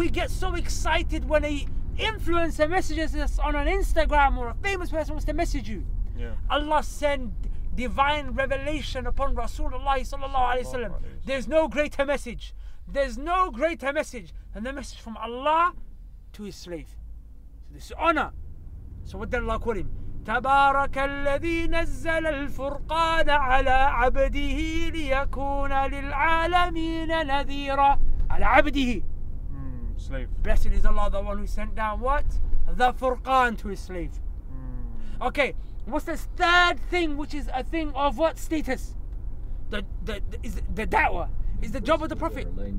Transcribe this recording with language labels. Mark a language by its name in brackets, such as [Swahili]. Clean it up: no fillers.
[English] We get so excited when an influencer messages us on an Instagram or a famous person wants to message you. Yeah. Allah send divine revelation upon Rasulullah sallallahu alaihi wasallam. There's no greater message. There's no greater message than the message from Allah to his slave. So this is honor. So what did Allah call him? [Arabic] تبارك الذي نزل الفرقان على عبده ليكون للعالمين نذيرا على عبده. [English] Slave. Blessed is Allah, the one who sent down what? The Furqan to his slave. Okay, what's the third thing, which is a thing of what status? The da'wah. Is the job of the Prophet.